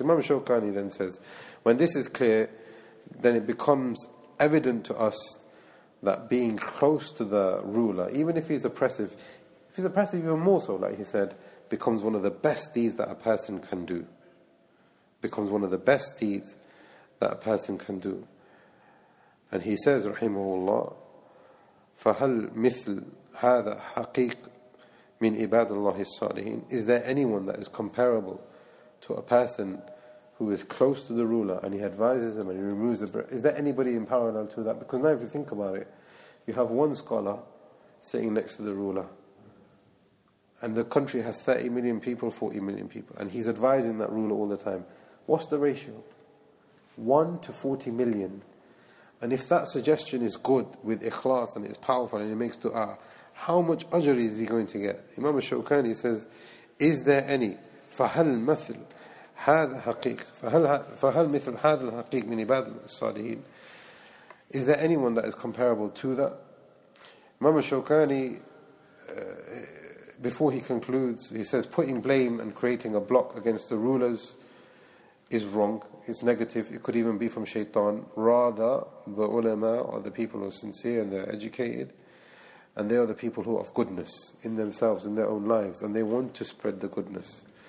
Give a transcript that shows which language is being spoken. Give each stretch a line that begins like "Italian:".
English: Imam Shawkani then says, when this is clear, then it becomes evident to us that being close to the ruler, even if he's oppressive even more so, like he said, becomes one of the best deeds that a person can do. Becomes one of the best deeds that a person can do.
Arabic: And he says, Rahimahullah, فَهَلْ مِثْلْ هَذَا حَقِيقْ مِنْ عِبَادَ اللَّهِ الصَّالِحِينَ.
English: Is there anyone that is comparable to a person who is close to the ruler and he advises him and he removes the breath? Is there anybody in parallel to that? Because now if you think about it, you have one scholar sitting next to the ruler and the country has 30 million people, 40 million people, and he's advising that ruler all the time. What's the ratio? 1 to 40 million. And if that suggestion is good with ikhlas and it's powerful and it makes dua, how much ajr is he going to get? Imam al-Shawkani says, is there any?
Arabic: فَهَلْ مَثِلْ هذا حقيق فهل مثل هذا الحقيق من عباد الصالحين.
English: Is there anyone that is comparable to that? Imam al-Shawkani, before he concludes, he says, putting blame and creating a block against the rulers is wrong, it's negative, it could even be from shaitan. Rather, the ulama are the people who are sincere and they're educated, and they are the people who are of goodness in themselves, in their own lives, and they want to spread the goodness.